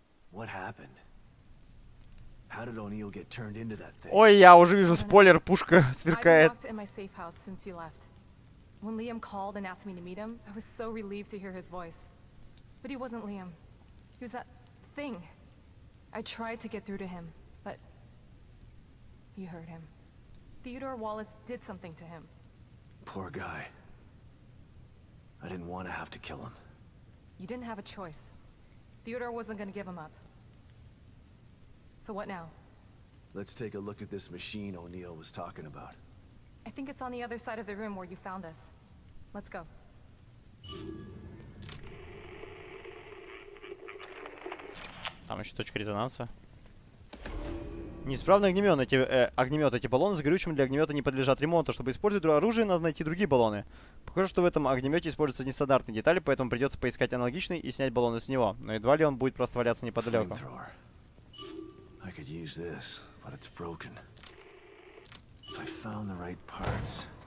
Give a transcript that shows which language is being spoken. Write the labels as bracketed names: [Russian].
[English] What happened? How did O'Neil get turned into that thing? [Russian] Ой, я уже вижу спойлер, пушка сверкает. [English] I've been locked in my safe house since you left. When Liam called and asked me to meet him, I was so relieved to hear his voice. But he wasn't Liam. He was that thing. I tried to get through to him, but you heard him. Theodore Wallace did something to him. Poor guy. I didn't want to have to kill him. You didn't have a choice. Theodore wasn't going to give him up. So what now? Let's take a look at this machine O'Neil was talking about. I think it's on the other side of the room where you found us. Let's go. [Russian] Там еще точка резонанса. Неисправный огнемет. Эти, огнемет. Эти баллоны с горючим для огнемета не подлежат ремонту. Чтобы использовать оружие, надо найти другие баллоны. Похоже, что в этом огнемете используются нестандартные детали, поэтому придется поискать аналогичный и снять баллоны с него. Но едва ли он будет просто валяться неподалеку. [English] I could use this, but it's broken. If I found the right parts.